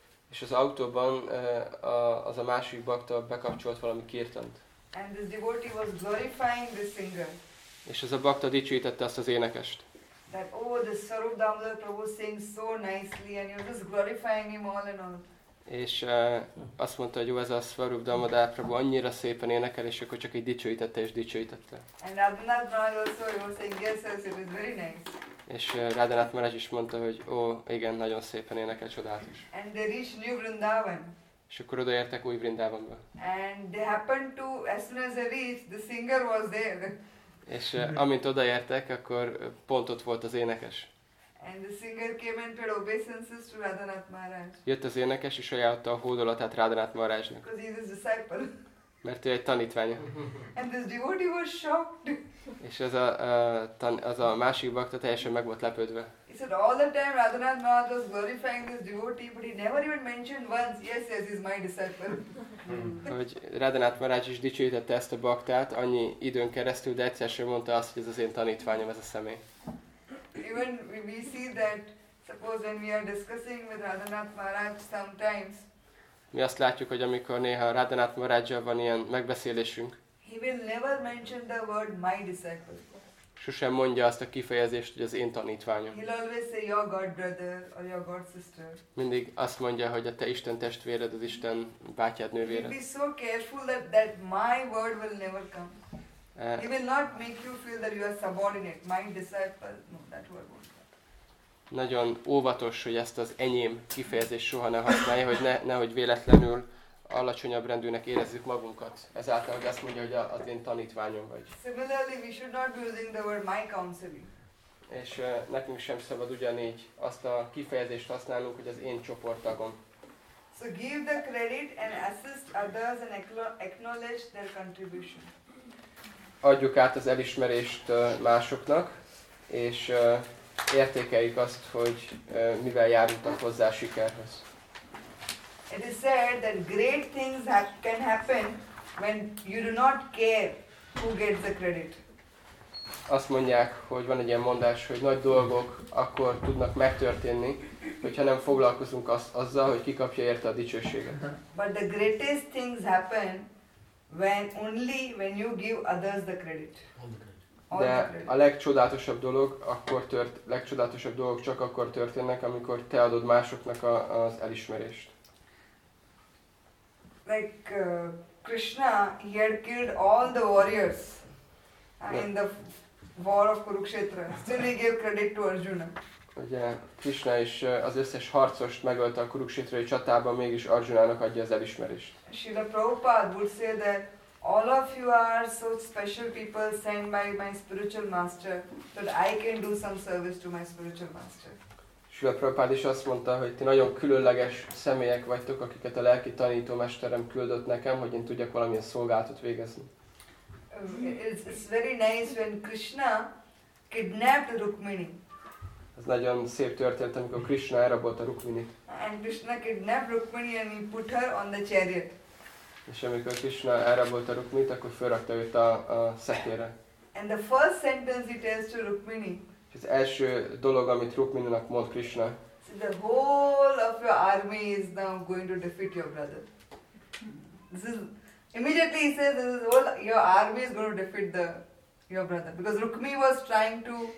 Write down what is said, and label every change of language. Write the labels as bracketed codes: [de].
[hu] És az autóban az a másik bakta bekapcsolt valami kirtant. [en] And this devotee was glorifying the singer. [hu] És ez a bakta dicsőítette azt az énekest. [en] That oh, the Swarup Damodar Prabhu sings so nicely and you're just glorifying him all and all. [hu] És azt mondta, hogy jó, ez a Swarup Damodar Prabhu annyira szépen énekel, és akkor csak így dicsőítette és dicsőítette. [en] And Radhanath Maharaj also, he was saying, yes, yes, it was very nice. [hu] És Radhanath Maharaj is mondta, hogy ó, igen, nagyon szépen énekel, csodálatos. [en] And they reached New Vrindavan. [hu] És akkor odaértek új Vrindavanba. [en] And they happened to, as soon as they reached, the singer was there. [hu] És amint odaértek, akkor pont ott volt az énekes. [en] And the singer came and paid obeisances to Radhanath Maharaj. [hu] Jött az énekes és ajánlotta a hódolatát Radhanath Maharajnak. [en] Because he is a disciple. [hu] Mert ő egy tanítványa. [en] And this devotee was shocked. [hu] És az a másik bakta teljesen meg volt lepődve. [en] He said all the time Radhanath Maharaj was glorifying this devotee, but he never even mentioned once, yes, yes, he's my disciple. [hu] Hogy Radhanath Maharaj is dicsőítette ezt a baktát annyi időn keresztül, de egyszer sem mondta azt, hogy ez az én tanítványom, ez a személy. [en] Even we see that, suppose when we are discussing with Radhanath Maharaj sometimes, [hu] mi azt látjuk, hogy amikor néha Radhanath Maharajjal van ilyen megbeszélésünk, [en] he will never mention the word my disciple. [hu] Sosem mondja azt a kifejezést, hogy az én tanítványom. [en] He'll always say your God brother or your God sister. [hu] Mindig azt mondja, hogy a te Isten testvéred, az Isten bátyád, nővéred. [en] He'll be so careful that my word will never come. He will not make you feel that you are subordinate. My disciple, no, that word won't. [hu] Nagyon óvatos, hogy ezt az enyém kifejezést soha ne használja, hogy nehogy véletlenül alacsonyabb rendűnek érezzük magunkat. Ezáltal, hogy azt mondja, hogy az én tanítványom vagy. [en] Similarly, we should not be using the word my counseling. [hu] És nekünk sem szabad ugyanígy azt a kifejezést használnunk, hogy az én csoporttagom. [en] So give the credit and assist others and acknowledge their contribution. [hu] Adjuk át az elismerést másoknak, és értékeljük azt, hogy mivel járultak hozzá sikerhez. [en] It is said that great things can happen when you do not care who gets the credit. [hu] Azt mondják, hogy van egy ilyen mondás, hogy nagy dolgok akkor tudnak megtörténni, hogyha nem foglalkozunk azzal, hogy ki kapja érte a dicsőséget. [en] But the greatest things happen when only when you give others the credit. [hu] De a legcsodálatosabb dolog, akkor tört, legcsodálatosabb dolog csak akkor történnek, amikor te adod másoknak az elismerést. [en] Like Krishna, he had killed all the warriors in the war of Kurukshetra. Still he gave credit to Arjuna. [hu] Ugye Krishna is az összes harcost megölte a Kurukshetrai csatában, mégis Arjunának adja az elismerést. [en] Srila Prabhupada would say that all of you are so special people sent by my spiritual master that I can do some service to my spiritual master. [hu] Srila Prabhupada is azt mondta, hogy ti nagyon különleges személyek vagytok, akiket a lelki tanító mesterem küldött nekem, hogy én tudjak valamilyen szolgálatot végezni. [en] It's very nice when Krishna kidnapped Rukmini. [hu] Ez nagyon szép történt, amikor Krishna elrabolta Rukminit. [en] And Krishna kidnapped Rukmini and he put her on the chariot. [hu] És amikor Krishna elrabolta Rukminit, akkor felrakta őt a szekérre. [en] And the first sentence he tells to Rukmini. [hu] És az első dolog, amit Rukmininak mond Krishna. [en] So the whole of your army is now going to defeat your brother. Immediately he says, this is all, your army is going to defeat the your brother, because Rukmi was trying to.